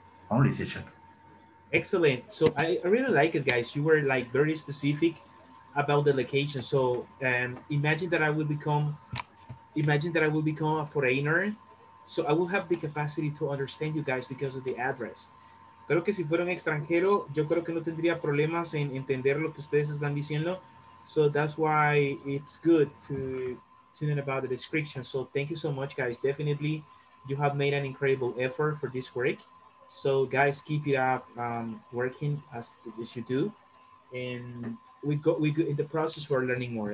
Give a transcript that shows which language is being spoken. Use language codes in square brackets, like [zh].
[en] Only teacher. Excellent. So I really like it, guys. You were like very specific about the location. So imagine that I will become a foreigner. So I will have the capacity to understand you guys because of the address. [es] Creo que si fuera un extranjero, yo creo que no tendría problemas en entender lo que ustedes están diciendo. [en] So that's why it's good to tune in about the description. So thank you so much, guys. Definitely, you have made an incredible effort for this work. So guys, keep it up, working as you do. And we go in the process for learning more.